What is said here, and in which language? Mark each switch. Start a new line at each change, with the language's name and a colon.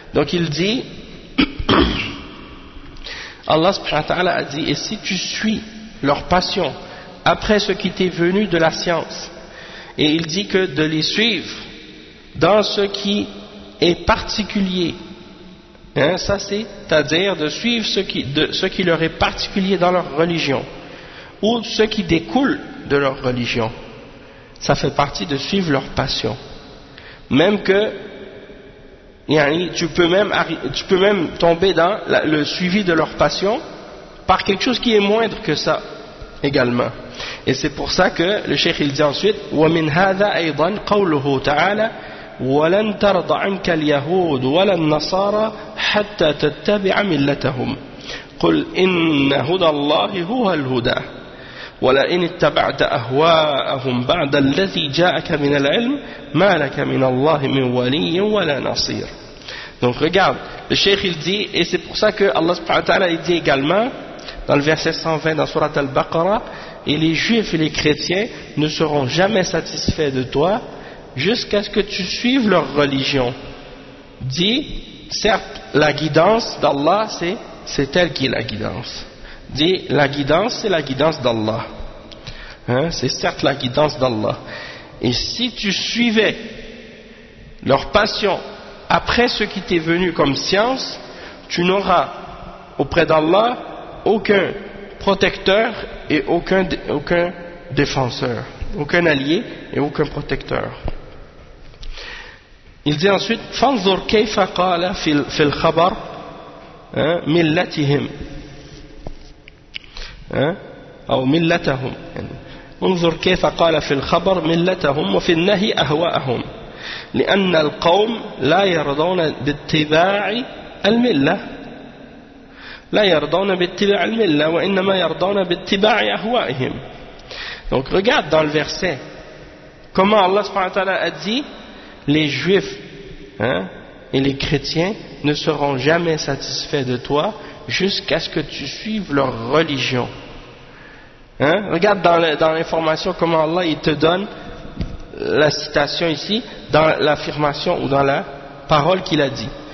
French: Donc il dit Allah subhanahu wa ta'ala a dit, et si tu suis leur passion après ce qui t'est venu de la science, et il dit que de les suivre dans ce qui est particulier, ça c'est-à-dire de suivre ce qui leur est particulier dans leur religion, ou ce qui découle de leur religion, ça fait partie de suivre leur passion. Même que tu peux même tomber dans le suivi de leur passion par quelque chose qui est moindre que ça également. Et c'est pour ça que le cheikh il dit ensuite
Arabic: وَمِنْ هَذَا أَيْضًا قَوْلُهُ تَعَالَى وَلَنْ تَرْضَ عَنْكَ الْيَهُودُ وَلَا النَّصَارَى حَتَّى تَتَّبِعَ مِلَّتَهُمْ قُلْ إِنَّ هُدَى اللَّهِ هُوَ الْهُدَى وَلَئِنِ اتَّبَعْتَ أَهْوَاءَهُمْ بَعْدَ الَّذِي جَاءَكَ مِنَ الْعِلْمِ مَا لَكَ مِنَ اللَّهِ مِنْ وَلِيٍّ وَلَا نَصِيرٍ.
French: Donc regarde, le cheikh il dit, et c'est pour ça que Allah subhanahu wa ta'ala il dit également dans le verset 120 dans sourate Al-Baqarah, et les juifs et les chrétiens ne seront jamais satisfaits de toi jusqu'à ce que tu suives leur religion. Dit, certes la guidance d'Allah c'est elle qui est la guidance. Dit, la guidance, c'est la guidance d'Allah. C'est certes la guidance d'Allah. Et si tu suivais leur passion après ce qui t'est venu comme science, tu n'auras auprès d'Allah aucun protecteur et aucun défenseur, aucun allié et aucun protecteur. Il dit ensuite,
Arabic: « فَانْظُرْ كَيْفَ قَالَ فِي الْخَبَرْ مِلَّتِهِمْ » أو ملتهم انظر كيف قال في الخبر ملتهم وفي النهي أهواءهم لأن القوم لا يرضون باتباع الملة لا يرضون باتباع الملة وإنما يرضون باتباع أهوائهم.
French: Donc regarde dans le verset comment Allah subhanahu wa ta'ala a dit les juifs et les chrétiens ne seront jamais satisfaits de toi jusqu'à ce que tu suives leur religion. Regarde dans l'information comment Allah il te donne la citation ici, dans l'affirmation ou dans la parole qu'il a dit.